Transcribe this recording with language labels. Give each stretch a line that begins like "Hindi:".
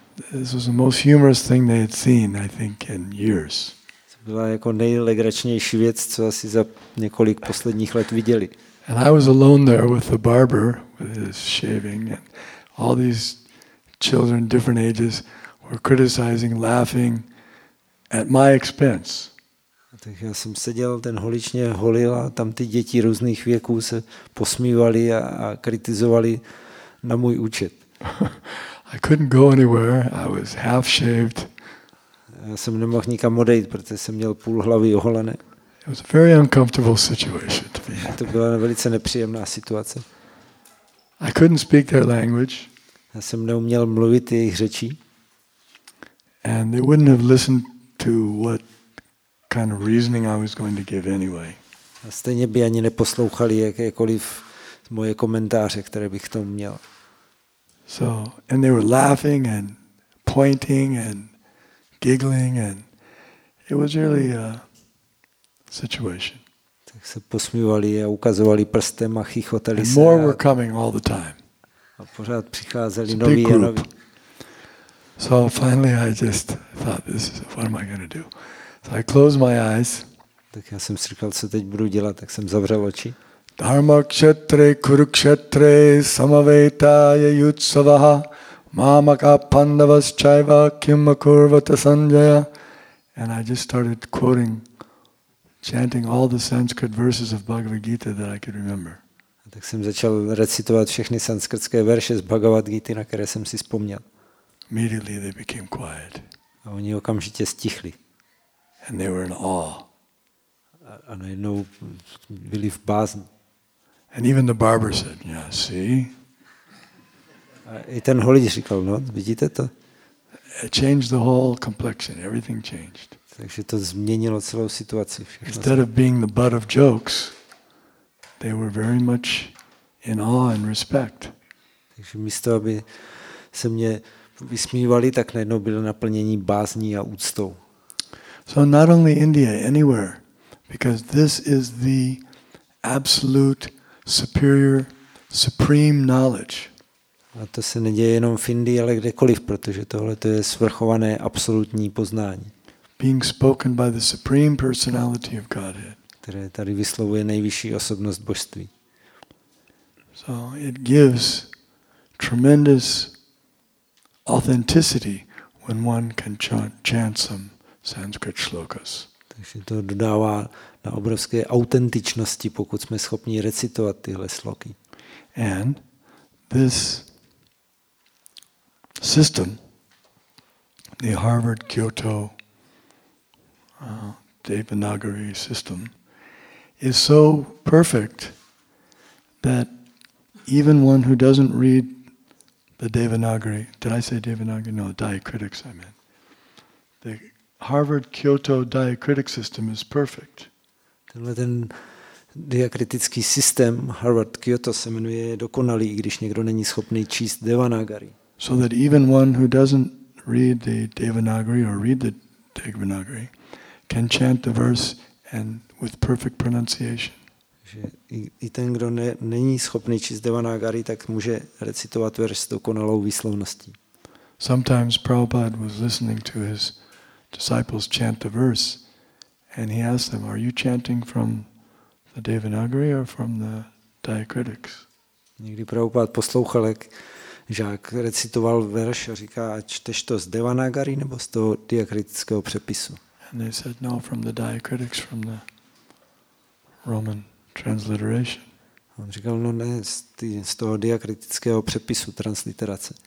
English: This was the most humorous thing they had seen, I think, in years.
Czech: To byla jako nejlegračnější věc, co asi za několik posledních let viděli.
English: And I was alone there with the barber, with his shaving, and all these children, different ages, were criticizing, laughing at my expense.
Czech: Tak já jsem seděl, ten holič mě holil a tam ty děti různých věků se posmívali a kritizovali na můj účet.
English: I couldn't go anywhere. I was half shaved.
Czech: Já jsem nemohl nikam odejít, protože jsem měl půl hlavy oholené.
English: It was a very uncomfortable situation to be.
Czech: To byla velice nepříjemná situace.
English: I couldn't speak their language.
Czech: Já jsem neuměl mluvit jejich řečí.
English: And they wouldn't have listened to what kind of reasoning I was going to give anyway.
Czech: A stejně by ani neposlouchali jakékoliv moje komentáře, které bych k tomu měl.
English: So, and they were laughing and pointing and giggling and it was really a situation.
Czech: Tak se posmívali a ukazovali prstem a chichotali se.
English: More were coming all the time.
Czech: A pořád přicházeli noví a noví.
English: So finally I just thought, this is, what am I going to do? So I closed my eyes.
Czech: Tak já jsem si říkal, co teď budu dělat, tak jsem zavřel oči.
Sanskrit: Dharma kšetre, kuru kšetre, samaveta je yutsavaha, mamaka pandavas chaiva, kimma kurvata sanjaya.
English: And I just started quoting, chanting all the Sanskrit verses of Bhagavad Gita that I could remember.
Czech: Tak jsem začal recitovat všechny sanskrtské verše z Bhagavad Gita, na které jsem si vzpomněl.
English: Immediately they became quiet.
Czech: A oni okamžitě stichli.
English: And they were in awe.
Czech: A najednou byli v bázni.
English: And even the barber said, yeah, see?
Czech: A i ten holič říkal, no, vidíte to?
English: It changed the whole complexion. Everything changed.
Czech: Takže to změnilo celou situaci. Všechno.
English: Instead of being the butt of jokes, they were very much in awe and respect.
Czech: Takže místo, aby se mě vysmívali, tak najednou bylo naplnění bázní a úctou.
English: So not only India, anywhere, because this is the absolute superior, supreme knowledge.
Czech: A to se neděje jenom v Indii, ale kdekoliv, protože tohle to je svrchované absolutní poznání.
English: Being spoken by the supreme personality of Godhead.
Czech: Které tady vyslovuje nejvyšší osobnost božství.
English: So it gives tremendous authenticity when one can chant some Sanskrit shlokas.
Czech: Takže to dodává na obrovské autentičnosti, pokud jsme schopni recitovat tyhle sloky.
English: And this system, the Harvard Kyoto Devanagari system, is so perfect that even one who doesn't read the Devanagari, did I say Devanagari? No, diacritics I meant. The Harvard Kyoto diacritic system is perfect.
Czech: Tenhle ten diakritický systém Harvard Kyoto se jmenuje dokonalý, i když někdo není schopný číst Devanagari.
English: So that even one who doesn't read the Devanagari or read the Devanagari can chant the verse and with perfect pronunciation.
Czech: Že i ten, kdo není schopný číst Devanagari, tak může recitovat verš s dokonalou výslovností.
English: Sometimes Prabhupada was listening to his disciples chant the verse and he asked them, are you chanting from the Devanagari or from the diacritics?
Czech: Někdy Prabhupada poslouchal, jak žák recitoval verš a říká, a čteš to z Devanagari nebo z toho diakritického přepisu?
English: And they said, no, from the diacritics, from the Roman transliteration.
Czech: On říkal, no ne, z toho diakritického přepisu, transliterace.